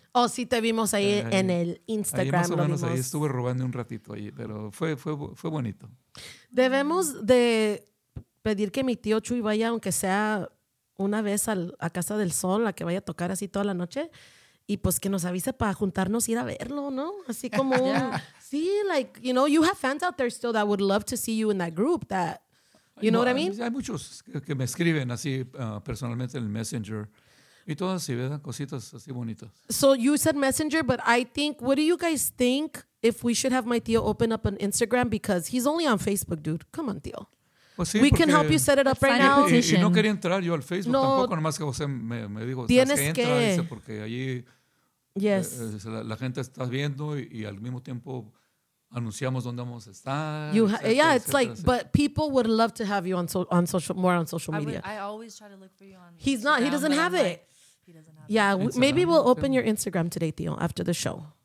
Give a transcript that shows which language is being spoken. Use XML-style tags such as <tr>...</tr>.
<es>Oh, sí, te vimos ahí en el Instagram. Ahí más o menos ahí estuve robando un ratito ahí, pero fue bonito. Debemos de pedir que mi tío Chuy vaya, aunque sea una vez a Casa del Sol, a que vaya a tocar así toda la noche, y pues que nos avise para juntarnos y ir a verlo, ¿no? Así como sí,</es> <en>like, you know, you have fans out there still that would love to see you in that group that... You know what I mean?</en> <es>Hay muchos que me escriben así personalmente en el Messenger. Y todas así, ¿verdad? Cositas así bonitas.</es> <en>So you said Messenger, but I think, what do you guys think if we should have my tío open up an Instagram? Because he's only on Facebook, dude. Come on, tío.</en> <es>Pues sí,</es> <en>we can help you set it up right now.</en> <es>Y no quería entrar yo al Facebook tampoco, nomás que José me dijo, tienes que entrar, dice, porque allí</es> <en>yes.</en> <es>La gente está viendo y al mismo tiempo... Anunciamos dónde vamos a estar.</es> <en>But people would love to have you on social media. I always try to look for you on. He's Instagram, not. He doesn't have I'm it. Like, he doesn't have yeah, it. Yeah, maybe we'll open your Instagram today, Tio, after the show.</en>